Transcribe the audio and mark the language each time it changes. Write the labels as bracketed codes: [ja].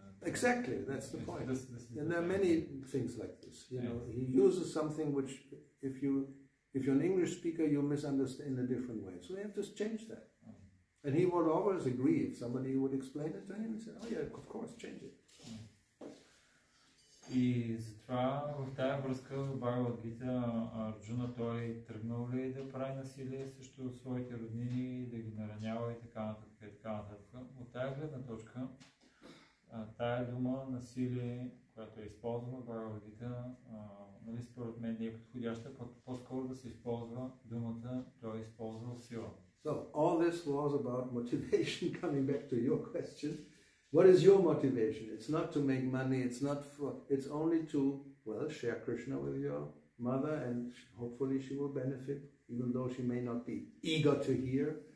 [en] Exactly, that's the point. And there are many things like this. You know, he uses something which, if you're an English speaker, you misunderstand in a different way. So we have to change that. And he would always agree if somebody would explain it to him. He said, oh yeah, of course, change it. [bg] И затова в тая връзка в Бхагавад Гита Арджуна той тръгнал ли да прави насилие срещу своите роднини, да ги наранява и така нататък и така нататък. От тая гледна точка, тая дума насилие, която е използвана в Бхагавад Гита, нали според мен не е подходяща, по-скоро да се използва думата, той е използвал сила. [en] So, all this was about motivation, coming back to your question. What is your motivation? It's not to make money, it's only to, well, share Krishna with your mother and hopefully she will benefit, even though she may not be eager to hear,